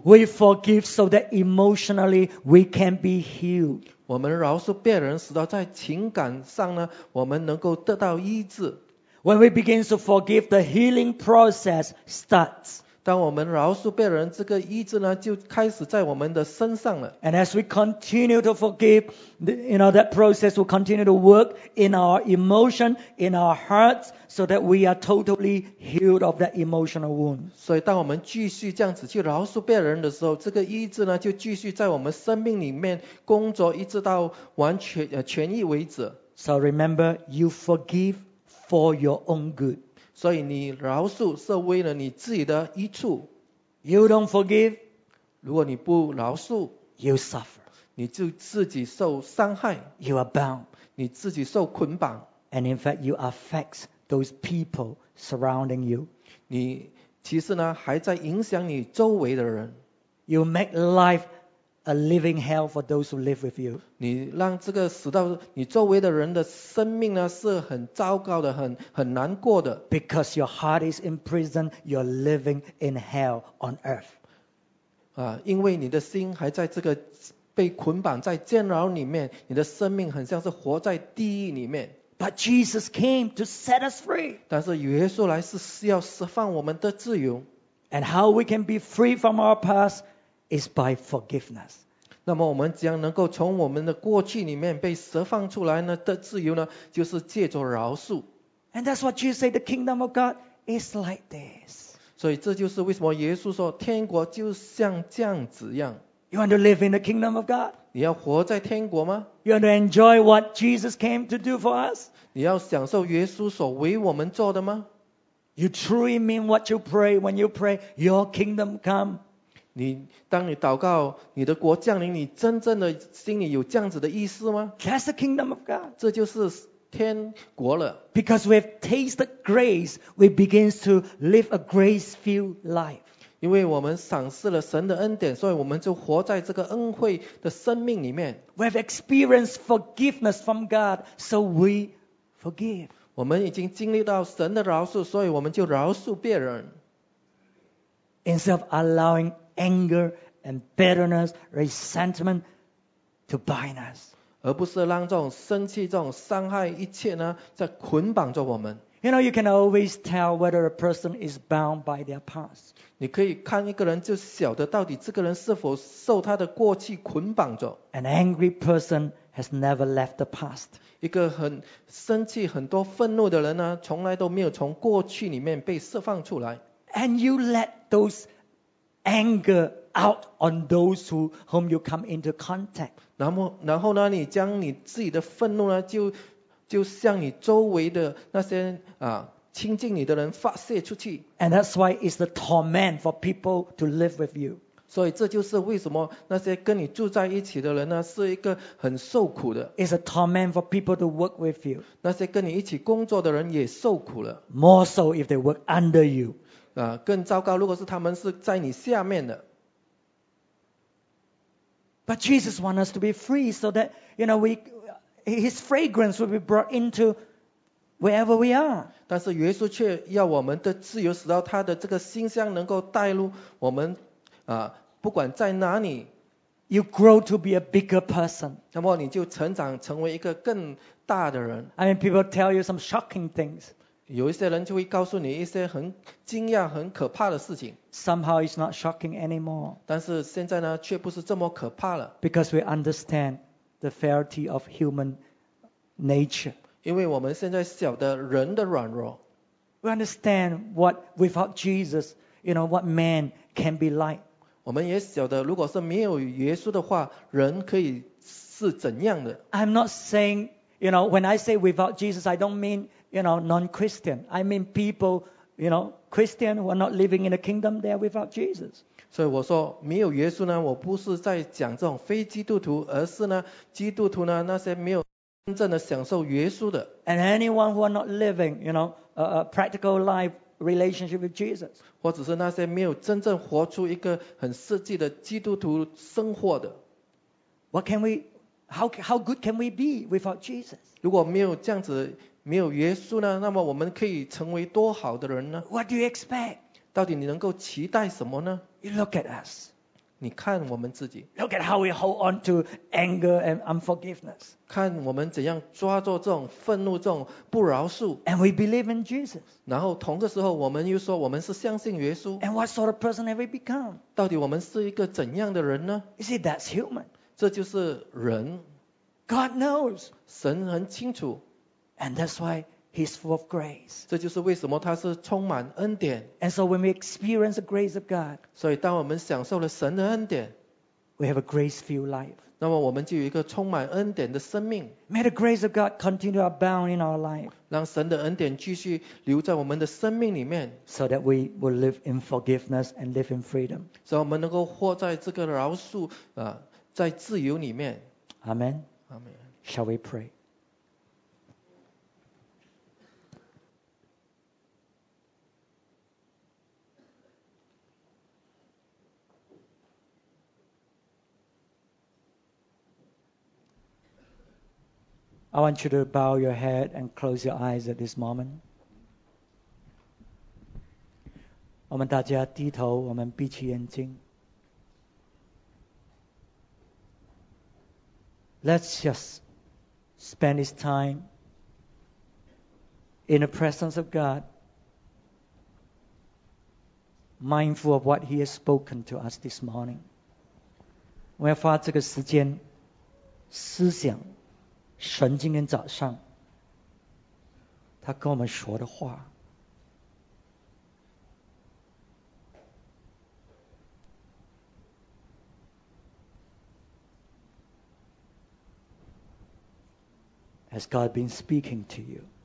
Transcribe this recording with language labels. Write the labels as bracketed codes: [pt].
[en] We forgive so that emotionally we can be healed. [zh] 我们饶恕别人使到在情感上呢，我们能够得到医治。 [en] When we begin to forgive, the healing process starts. [zh] 当我们饶恕别人，这个医治呢就开始在我们的身上了。 [en] And as we continue to forgive, you know, that process will continue to work in our emotion, in our hearts, so that we are totally healed of that emotional wound. [zh] 所以当我们继续这样子去饶恕别人的时候，这个医治呢就继续在我们生命里面工作，一直到完全痊愈为止。 [en] So remember, you forgive for your own good. [zh] 所以你饶恕是为了你自己的益处。 [en] You don't forgive, [zh] 如果你不饶恕 [en] ，you suffer, [zh] 你就自己受伤害。 [en] You are bound, [zh] 你自己受捆绑。 [en] And in fact, you affect those people surrounding you. [zh] 你其实呢还在影响你周围的人。 [en] You make life a living hell for those who live with you. [zh] 你让这个死到你周围的人的生命呢是很糟糕的，很难过的。 [en] Because your heart is in prison, you're living in hell on earth. [zh] 因为你的心还在这个被捆绑在监牢里面，你的生命很像是活在地狱里面。 [en] But Jesus came to set us free. [zh] 但是耶稣来是要释放我们的自由。 [en] And how we can be free from our past? Is by forgiveness. [zh] 那么我们将能够从我们的过去里面被释放出来呢的自由呢，就是借着饶恕。 [en] And that's what Jesus said, the kingdom of God is like this. [zh] 所以这就是为什么耶稣说天国就像这样子样。 [en] You want to live in the kingdom of God? [zh] 你要活在天国吗？ [en] You want to enjoy what Jesus came to do for us? [zh] 你要享受耶稣所为我们做的吗？ [en] You truly mean what you pray when you pray, your kingdom come. [zh] 你当你祷告你的国降临，你真正的心里有这样子的意思吗？ [en] That's the kingdom of God. [zh] 这就是天国了。 [en] Because we have tasted grace, we begin to live a grace-filled life. [zh] 因为我们赏识了神的恩典，所以我们就活在这个恩惠的生命里面。 [en] We have experienced forgiveness from God, so we forgive. [zh] 我们已经经历到神的饶恕，所以我们就饶恕别人。 [en] Instead of allowinganger and bitterness, resentment to bind us. [zh] 而不是让这种生气、这种伤害一切呢，在捆绑着我们。 [en] You know, you can always tell whether a person is bound by their past. [zh] 你可以看一个人就晓得到底这个人是否受他的过去捆绑着。 [en] An angry person has never left the past. [zh] 一个很生气、很多愤怒的人呢，从来都没有从过去里面被释放出来。 [en] And you let those anger out on those who whom you come into contact. [zh] 然后呢，你将你自己的愤怒呢，就就向你周围的那些亲近你的人发泄出去。 [en] And that's why it's the torment for people to live with you. [zh] 所以这就是为什么那些跟你住在一起的人呢，是一个很受苦的。 [en] It's a torment for people to work with you. [zh] 那些跟你一起工作的人也受苦了。 [en] More so if they work under you. [zh] 更糟糕，如果是他们是在你下面的。 [en] But Jesus wants us to be free so that, you know, his fragrance will be brought into wherever we are. [zh] 但是耶稣却要我们的自由使到他的这个馨香能够带入我们不管在哪里。 [en] You grow to be a bigger person. [zh] 那么你就成长成为一个更大的人。 [en] I mean, people tell you some shocking things. [zh] 有一些人就会告诉你一些很惊讶很可怕的事情。 [en] Somehow it's not shocking anymore. [zh] 但是现在呢却不是这么可怕了。 [en] Because we understand the frailty of human nature. [zh] 因为我们现在晓得人的软弱。 [en] We understand what without Jesus, you know, what man can be like. [zh] 我们也晓得如果是没有耶稣的话人可以是怎样的。 [en] I'm not saying, you know, when I say without Jesus, I don't mean, you know, non-Christian. I mean people, you know, Christian who are not living in a kingdom there without Jesus. [zh] 所以我说没有耶稣呢我不是在讲这种非基督徒而是呢基督徒呢那些没有真正的享受耶稣的。 [en] And anyone who are not living, you know, a practical life relationship with Jesus. [zh] 或者是那些没有真正活出一个很实际的基督徒生活的。 [en] What can we, how good can we be without Jesus? [zh] 如果没有这样子没有耶稣呢那么我们可以成为多好的人呢 [en] ?What do you expect? [zh] 到底你能够期待什么呢 [en] ?You look at us. [zh] 你看我们自己。 [en] Look at how we hold on to anger and unforgiveness. [zh] 看我们怎样抓住这种愤怒这种不饶恕。 [en] And we believe in Jesus. [zh] 然后同个时候我们又说我们是相信耶稣。 [en] And what sort of person have we become? [zh] 到底我们是一个怎样的人呢 [en] ?You see, that's human. [zh] 这就是人。 [en] God knows. [zh] 神很清楚。 [en] And that's why he's full of grace. [zh] 这就是为什么他是充满恩典。 [en] And so when we experience the grace of God, [zh] 所以当我们享受了神的恩典， [en] we have a grace-filled life. [zh] 那么我们就有一个充满恩典的生命。 [en] May the grace of God continue to abound in our life. [zh] 让神的恩典继续留在我们的生命里面。 [en] So that we will live in forgiveness and live in freedom. [zh] 所以我们能够活在这个饶恕在自由里面。 [en] Amen. Amen. Shall we pray? I want you to bow your head and close your eyes at this moment. [zh] 我们大家低头，我们闭起眼睛。 [en] Let's just spend this time in the presence of God, mindful of what He has spoken to us this morning. [zh] 我要花这个时间思想神今天早上他跟我们说的话， [en] Has God been speaking to you?